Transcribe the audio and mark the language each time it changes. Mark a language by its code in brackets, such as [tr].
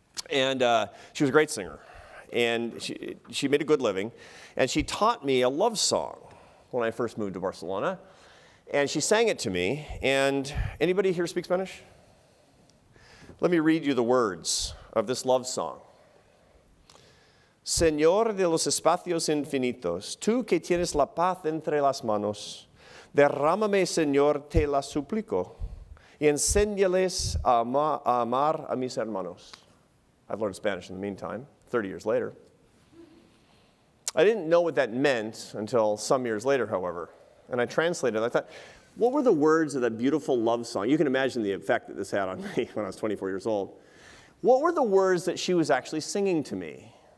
[en] And she was a great singer, and she made a good living, and she taught me a love song when I first moved to Barcelona, and she sang it to me. And anybody here speak Spanish? Let me read you the words of this love song. [es] Señor de los espacios infinitos, tú que tienes la paz entre las manos, derrámame, Señor, te la suplico, y enséñales a amar a mis hermanos. [en] I've learned Spanish in the meantime, 30 years later. I didn't know what that meant until some years later, however. And I translated it. I thought, what were the words of that beautiful love song? You can imagine the effect that this had on me when I was 24 years old. What were the words that she was actually singing to me?